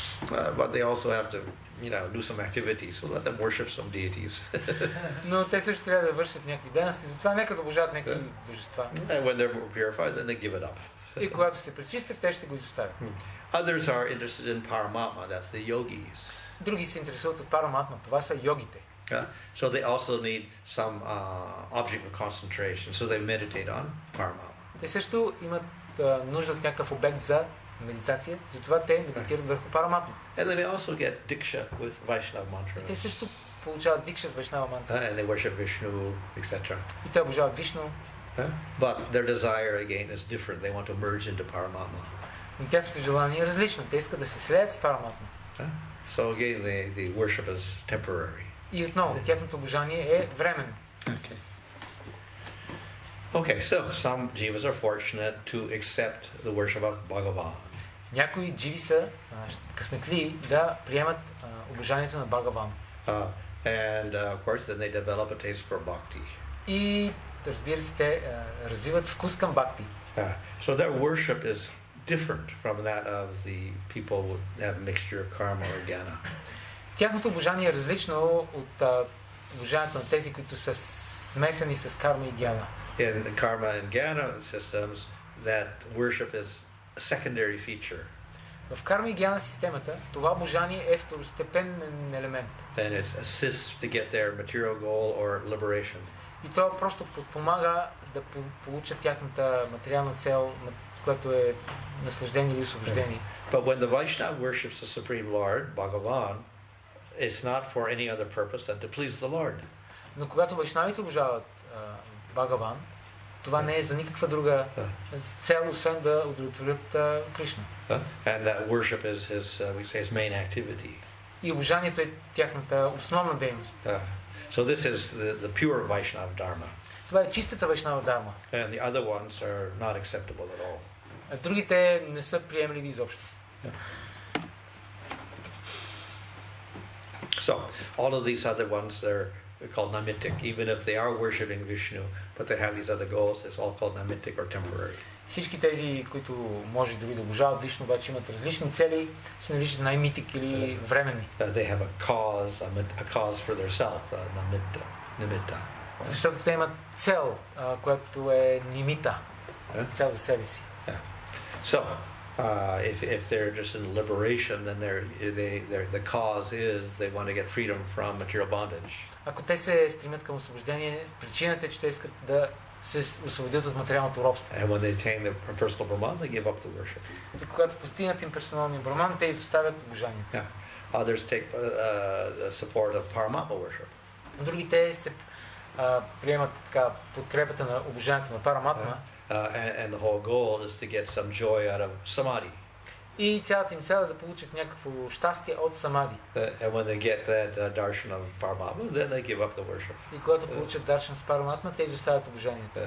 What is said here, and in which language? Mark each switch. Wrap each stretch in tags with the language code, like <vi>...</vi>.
<en>But they also have to, you know, do some activities, so let them worship some deities.</en> <bg>Но те също трябва да вършат някакви дейности, затова нека да обожават някакви божества.</bg> <en>And when they're purified, then they give it up.</en> <bg>И когато се пречистят, те ще го изоставят.</bg> <en>Others are interested in Paramatma, that's the yogis.</en> <bg>Други се интересуват от Параматма, това са йогите.</bg> <en>So they also need some object of concentration, so they meditate on Paramatma.</en> <bg>Те също имат нужда от някакъв обект за медитация, затова те медитират върху Параматма.</bg> <en>And they may also get diksha with Vaishnava mantras.</en> <bg>Те също получават дикша с Вайшнава мантра.</bg> <en>And they worship Vishnu, etc.</en> <bg>И те обожават Вишну.</bg> <en>But their desire again is different. They want to merge into Paramatma.</en> <bg>Но тяхното желание е различно. Те искат да се слеят с Параматма.</bg> <en>So again, the worship is temporary.</en> <bg>И отново, тяхното обожание е временно.</bg> <en>Okay, so some jivas are fortunate to accept the worship of Bhagavan.</en> <bg>Някои живи са късметли да приемат обожанието на Бхагаван.</bg> <en>And of course, then they develop a taste for bhakti.</en> <bg>И разбира се, те развиват вкус към бхакти.</bg> <en>So their worship is different from that of the people who have mixture of karma or jnana.</en> <bg>Тяхното обожание е различно от обожанието на тези, които са смесени с карма и джана.</bg> <en>In the karma and jnana systems, that worship is a secondary feature.</en> <bg>В карма и джана системата това обожание е второстепенен елемент.</bg> <en>And it assists to get their material goal or liberation.</en> <bg>И то просто подпомага да получат тяхната материална цел, която е наслаждение или освобождение.</bg> <en>But when the Vaishnava worships the Supreme Lord, Bhagavan, it's not for any other purpose than to please the Lord.</en> <bg>Но когато вайшнавите обожават Бхагаван, това не е за никаква друга цел, освен да удовлетворят Кришна.</bg> <en>And that worship is his, we say, his main activity.</en> <bg>И обожанието е тяхната основна дейност.</bg> <en>So this is the pure Vaishnava Dharma.</en> <bg>Това е чистата Вайшнава Дарма.</bg> <en>And the other ones are not acceptable at all.</en> <bg>А другите не са приемливи изобщо.</bg> <en>So, all of these other ones, they're called namitic. Even if they are worshipping Vishnu, but they have these other goals, it's all called namitic or temporary.</en> <bg>Всички тези, които може дори да обожават Вишну, обаче имат различни цели, се наричат наймитик или временни.</bg> <en>They have a cause for their self, namitta.</en> <bg>Защото те имат цел, която е нимита, цел за себе си.</bg> <en>So, if they're just in liberation, then they're the cause is they want to get freedom from material bondage.</en> <bg>Ако те се стремят към освобождение, причината е, че те искат да се освободят от материалното робство.</bg> <en>And when they attain the impersonal Brahman, they give up the worship.</en> <bg>И когато постигнат имперсоналния Брахман, те изоставят обожанието.</bg> <en>Others take the support of Paramatma worship.</en> <bg>Другите се приемат така подкрепата на обожанието на Параматма.</bg> <en>And the whole goal is to get some joy out of samadhi.</en> <bg>И цялата им цел е да получат някакво щастие от самади.</bg> <en>And when they get that darshan of Paramatma, then they give up the worship.</en> <bg>И когато получат даршан с Параматма, те изоставят обожанието.</bg>